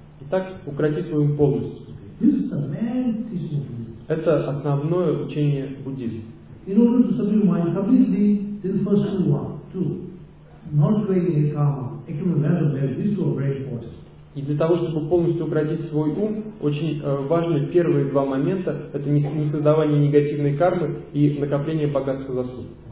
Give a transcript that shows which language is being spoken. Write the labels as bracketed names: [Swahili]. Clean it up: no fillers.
[Russian] Итак, укроти свой ум полностью. [English] This is the main teaching of Buddhism. [Russian] Это основное учение буддизма. [English] In order to subdue mind completely, then first two, not creating a karma, accumulating wealth, this is very important. [Russian] И для того, чтобы полностью укротить свой ум, очень важны первые два момента. Это не создавание негативной кармы и накопление богатства заслуг.